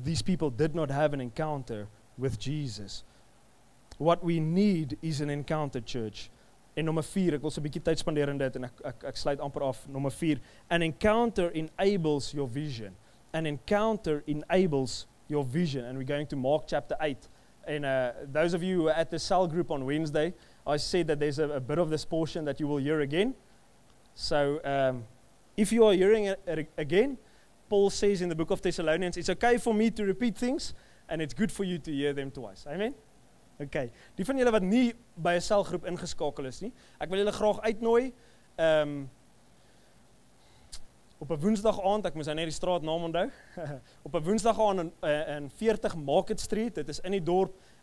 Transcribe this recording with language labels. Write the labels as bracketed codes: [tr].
[en] These people did not have an encounter with Jesus. What we need is an encounter, church. [af] En nommer 4, ek wil so 'n bietjie tyd spandeer in dit en ek sluit amper af. Nommer 4, [en] an encounter enables your vision. An encounter enables your vision. And we're going to Mark chapter 8. And those of you who are at the cell group on Wednesday, I said that there's a bit of this portion that you will hear again. So if you are hearing it again, Paul says in the book of Thessalonians, it's okay for me to repeat things and it's good for you to hear them twice. Amen? [af] Okay, die van julle wat nie by 'n selgroep ingeskakel is nie, ek wil julle graag uitnooi op 'n woensdag aand, ek moes nou net die straat naam onthou, op 'n woensdag aand in 40 Market Street, dit is in die dorp,